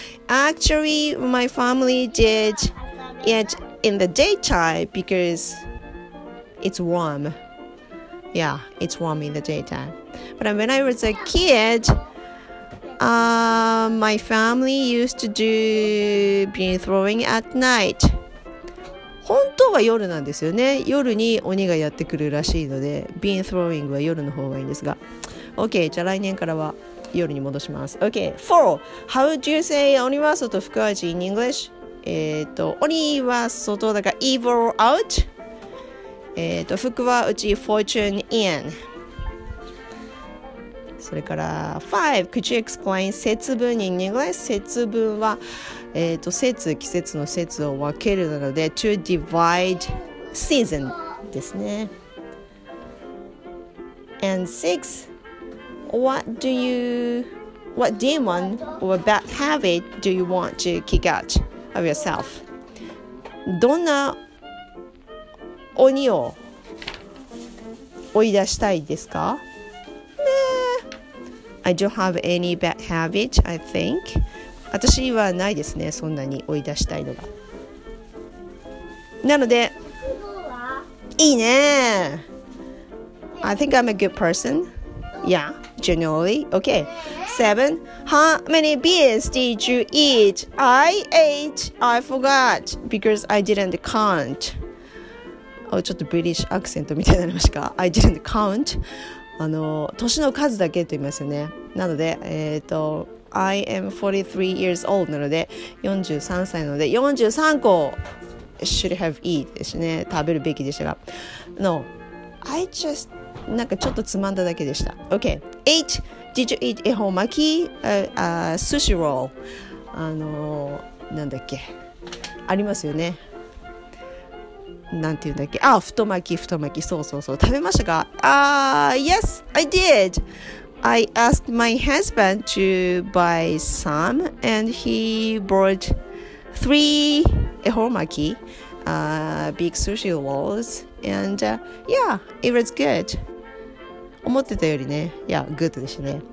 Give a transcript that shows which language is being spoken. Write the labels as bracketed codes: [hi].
[en] Actually, my family did it in the daytime because it's warm. Yeah, it's warm in the daytime. But when I was a kid, my family used to do bean throwing at night. [ja] 本当は夜なんですよね。夜に鬼がやってくるらしいので、 bean throwing は夜の方がいいんですが。 OK, じゃあ来年からは夜に戻します。 [en] OK, 4. How do you say 鬼は外、福は内 in English? [ja] 鬼は外だから evil out? 福は内 fortune in. [en] それから 5. Could you explain 節分 in English? [ja] 節分は、節、季節の節を分けるので to divide season ですね。 [en] And 6. What demon or bad habit do you want to kick out of yourself? [ja] どんな鬼を追い出したいですか? [en] I don't have any bad habit, I think. [ja] 私はないですね、そんなに追い出したいのが。 [en] なので、いいね。 I think I'm a good person. Yeah, generally. Okay. 7. How many beers did you eat? I ate. I forgot because I didn't count. [ja] Oh, ちょっとブリティッシュアクセントみたいになりましたか? I didn't count. あの、年の数だけと言いますよね。なので、 I am 43 years old なので、43歳なので、43個 should have eat ですね。食べるべきでしたが。 No, I just, なんかちょっとつまんだだけでした。 Okay. 8. [en] Did you eat 恵方巻き?Sushi roll. あの、なんだっけ。ありますよね。 [ja] なんていうんだっけ、あ、太巻き、太巻き、そうそうそう、食べましたか、 Yes, I did. [en] I asked my husband to buy some and he bought three 恵方巻き, big sushi rolls and yeah, it was good. [ja] 思ってたよりね、 yeah, good でしたね。